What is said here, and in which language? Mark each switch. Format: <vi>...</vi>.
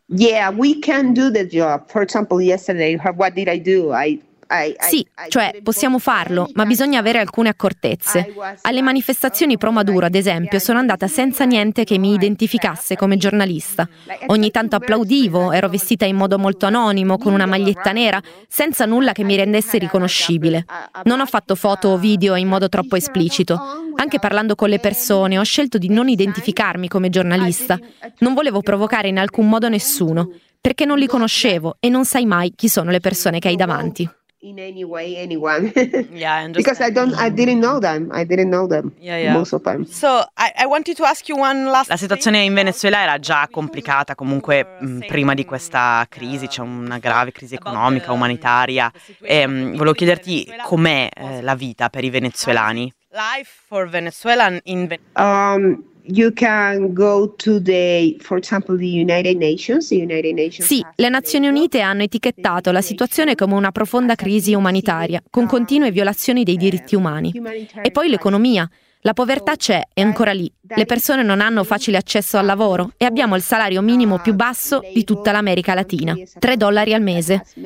<en>Yeah, we can do the job. For example, yesterday what did I do?</en> <it>Sì, cioè possiamo farlo, ma bisogna avere alcune accortezze. Alle manifestazioni pro Maduro, ad esempio, sono andata senza niente che mi identificasse come giornalista. Ogni tanto applaudivo, ero vestita in modo molto anonimo, con una maglietta nera, senza nulla che mi rendesse riconoscibile. Non ho fatto foto o video in modo troppo esplicito. Anche parlando con le persone, ho scelto di non identificarmi come giornalista. Non volevo provocare in alcun modo nessuno, perché non li conoscevo e non sai mai chi sono le persone che hai davanti.</it> <en>In any way, anyone. Yeah, I understand. Because I didn't know them. Yeah, yeah. Most of them. So I wanted to ask you one last.</en> <it>La situazione in Venezuela era già complicata comunque prima di questa crisi. C'è una grave crisi economica, umanitaria. E volevo chiederti com'è la vita per i venezuelani.</it> <en>Life for Venezuelan in. You can go to the, for example, the United Nations.</en> <it>Sì, le Nazioni Unite hanno etichettato la situazione come una profonda crisi umanitaria, con continue violazioni dei diritti umani. E poi l'economia. La povertà c'è, è ancora lì. Le persone non hanno facile accesso al lavoro e abbiamo il salario minimo più basso di tutta l'America Latina, $3 al mese.</it>